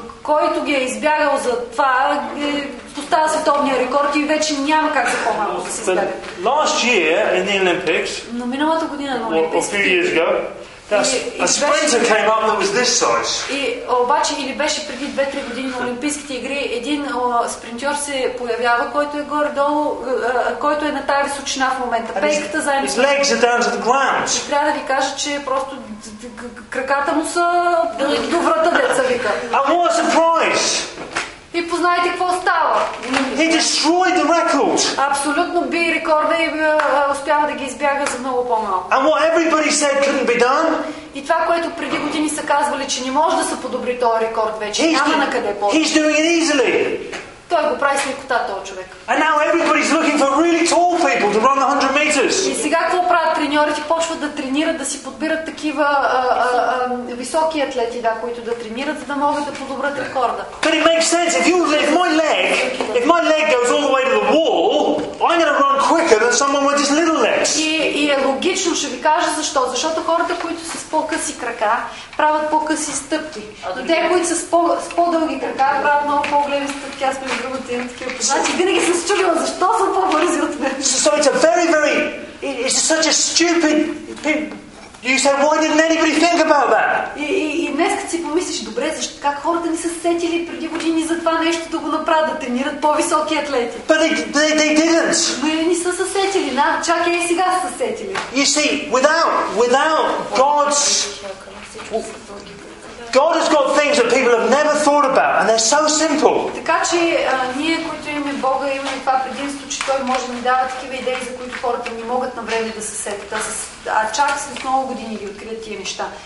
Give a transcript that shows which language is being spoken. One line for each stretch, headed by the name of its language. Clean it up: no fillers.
Bulgarian: Който ги е избягал за това, поставя световния рекорд и вече няма как за по-малко да се избяга.
English: Last year in the Olympics,
Bulgarian: но миналата година на Олимпийските игри,
English: a sprinter came up that was this size.
Bulgarian: И обаче, или беше преди 2-3 години на Олимпийските игри, един спринтьор се появява, който е горе-долу, който е на тая височина в момента. Пейката заедно.
English: His legs are down to the ground.
Bulgarian: И трябва да ви кажа, че просто краката му са до врата, деца вика.
English: And what a surprise!
Bulgarian: И познайте какво става.
English: He destroyed the record.
Bulgarian: Абсолютно би рекорда и успява да ги избяга за много по-малко.
English: And what everybody said couldn't be done.
Bulgarian: И това, което преди години са казвали, че не може да се подобри този рекорд вече. Няма на къде по-малко.
English: He's doing it easily.
Bulgarian: Той го прави с лекота, този човек.
English: And now everybody's looking for really tall people to run 100 meters.
Bulgarian: И сега какво правят треньорите? Почват да тренират, да си подбират такива високи атлети, да, които да тренират, за да могат да подобрят рекорда.
English: But it makes sense. If my leg goes all the way to the wall, I'm going to run quicker than someone with just little legs.
Bulgarian: И е логично, ще ви кажа защо. Защото хората, които са с по-къси крака, правят по-къси стъпки. Но те, които са с по-дълги крака, правят много по-големи стъпки. Аз сме в другата имам такива познати. Винаги съм се чудила, защо са по-бързи от мен.
English: So it's a it's such a stupid thing. You say, why didn't anybody think about that?
Bulgarian: И днес като си помислиш, добре, защо как хората не са сетили преди години за това нещо да го направят, да тренират по-високи атлети?
English: But they didn't.
Bulgarian: Но не са се сетили, на, чакай и сега са сетили.
English: You see, without God has got things that people have never thought about, and they're so simple.
Bulgarian: Така че ние, които имаме Бога, имаме това предимство, че Той може да ни дава такива идеи, за които хората не могат на време да се сетят. А чак след много години ги открият тия неща.